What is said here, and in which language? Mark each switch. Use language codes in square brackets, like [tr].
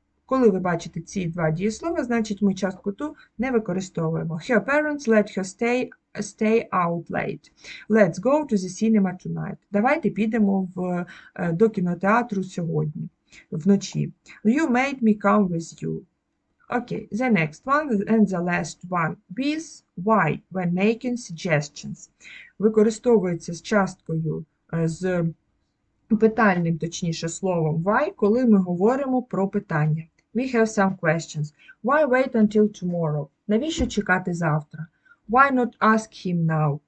[uk] Коли ви бачите ці два дієслова, значить ми частку ту не використовуємо. [en] Her parents let her stay out late. Let's go to the cinema tonight. [uk] Давайте підемо до кінотеатру сьогодні, вночі. [en] You made me come with you. Okay, the next one and the last one. With, why, when making suggestions. [uk] Використовується з часткою, з питальним, точніше, словом why, коли ми говоримо про питання. [en] We have some questions. Why wait until tomorrow? [uk] Навіщо чекати завтра? [en] Why not ask him now?